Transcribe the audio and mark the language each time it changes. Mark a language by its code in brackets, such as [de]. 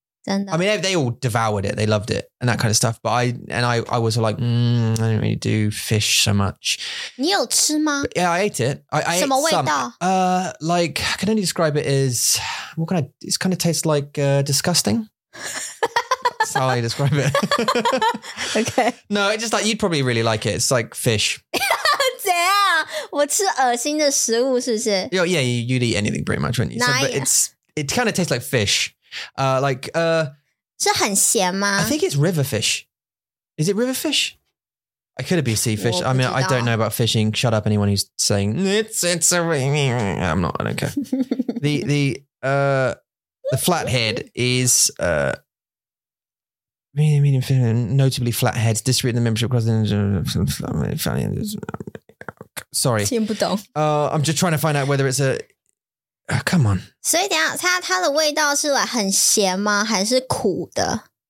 [en] I mean, they all devoured it. They loved it and that kind of stuff. But I was like, I don't really do fish so much. [zh] 你有吃吗? [en] Yeah, I ate it. I ate some. Like, I can only describe it as, what kind of, it kind of tastes like disgusting. That's how I describe it. Okay. No, it's just like, you'd probably really like it. It's like fish. [zh] 我吃恶心的食物是不是? [en] Yeah, you'd eat anything pretty much, wouldn't you? So, but it kind of tastes like fish. [zh] 是很咸吗? [en] I think it's river fish. Is it river fish? It could be sea fish. I mean, I don't know about fishing. Shut up, anyone who's saying, it's a... I'm not, I don't care. the flathead is... notably flatheads, disagree the membership across the... Sorry. I'm just trying to find out whether it's a... come on. [zh] 所以等一下,它的味道是很咸吗?还是苦的?